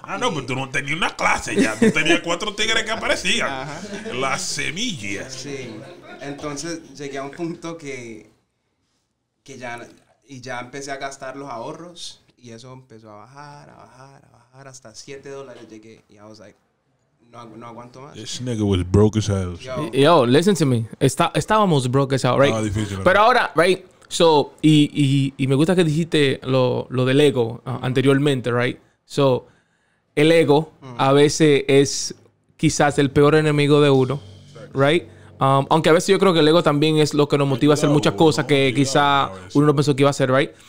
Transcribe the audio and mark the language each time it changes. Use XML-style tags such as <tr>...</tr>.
<es>Pero tú no tenías una clase ya. Tú tenías 4 tigres que aparecían. Ajá. Las semillas. Sí. Entonces, llegué a un punto que ya... Y ya empecé a gastar los ahorros. Y eso empezó a bajar, a bajar, a bajar. Hasta $7 llegué. Y</es> <en>I was like,</en> <es>no aguanto más.</es> <en>This nigga was broke as hell. Yo, listen to me. Estábamos broke as hell, right?</en> <es>Difícil, pero ahora, right? So, y me gusta que dijiste lo del ego anteriormente, right? So, el ego a veces es quizás el peor enemigo de uno, right? Aunque a veces yo creo que el ego también es lo que nos motiva a hacer muchas cosas que quizás uno no pensó que iba a hacer, right?</es>